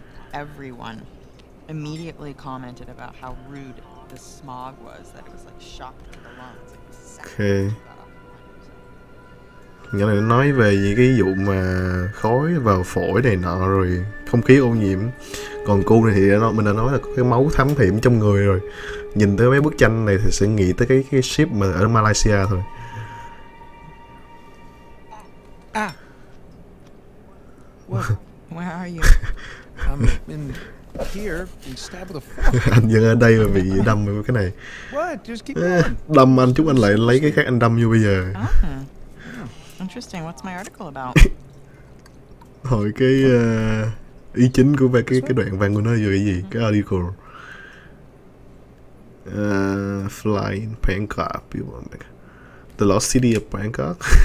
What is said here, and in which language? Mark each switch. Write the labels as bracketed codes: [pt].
[en] Everyone immediately commented about how rude the smog was, that it was like shocked to the lungs. Okay. [vi] Nghĩa là nó nói về những cái vụ mà khói vào phổi này nọ rồi không khí ô nhiễm. Còn cô này thì nó, mình đã nói là có cái máu thấm hiểm trong người rồi. Nhìn tới mấy bức tranh này thì sẽ nghĩ tới cái ship mà ở Malaysia thôi. À. [en] Where are you? I'm in here being stabbed with a fork. [vi] Anh vẫn ở đây mà bị đâm với cái này. [en] What? Just keep [vi] đâm anh, chúc anh lại lấy cái khác anh đâm vô bây giờ. [en] Interesting, what's my article about? [vi] Hỏi cái ý chính của về cái đoạn văn của nó vừa cái gì? Cái article. [en] Flying Bangkok, people are like, the lost city of Bangkok.